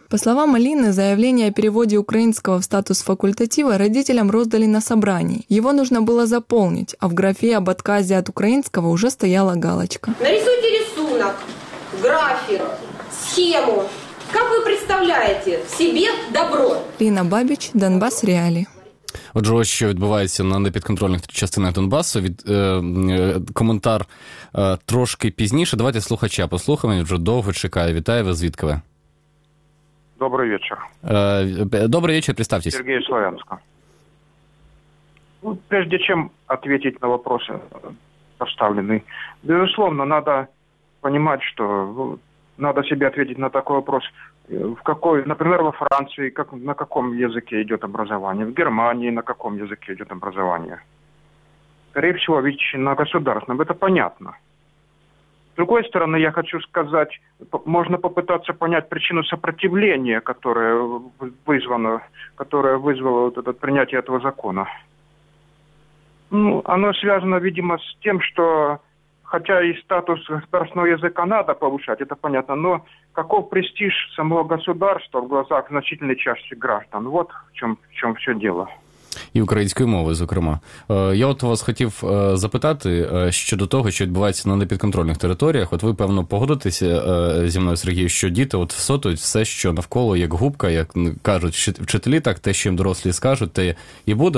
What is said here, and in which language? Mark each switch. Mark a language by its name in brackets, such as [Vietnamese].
[Russian] По словам Алины, заявление о переводе украинского в статус факультатива родителям роздали на собрании. Его нужно было заполнить, а в графе об отказе от украинского уже стояла галочка. Нарисуйте рисунок, график. Схему. Как вы представляете себе добро? [Ukrainian] Ліна Бабіч, Донбас Реалі. Отже, ось що відбувається на непідконтрольних частинах Донбасу. Коментар трошки пізніше. Давайте слухача послухаємо. Він вже довго чекає. Вітаю вас, звідки ви? Добрий вечір. Добрий вечір, представтесь. Сергій Слов'янська. [Russian] Ну, прежде чем ответить на вопросы поставленные, безусловно, надо понимать, что... Надо себе ответить на такой вопрос. В какой, например, во Франции, как, на каком языке идет образование? В Германии на каком языке идет образование? Скорее всего, ведь на государственном. Это понятно. С другой стороны, я хочу сказать, можно попытаться понять причину сопротивления, которое вызвало вот это принятие этого закона. Ну, оно связано, видимо, с тем, что... Хотя и статус государственного языка надо повышать, это понятно, но каков престиж самого государства в глазах значительной части граждан? Вот в чем все дело. [Ukrainian] І української мови, зокрема. Я от вас хотів запитати щодо того, що відбувається на непідконтрольних територіях. От ви, певно, погодитеся зі мною, Сергій, що діти от всотують все, що навколо, як губка, як кажуть вчителі, так те, що їм дорослі скажуть, те і буде.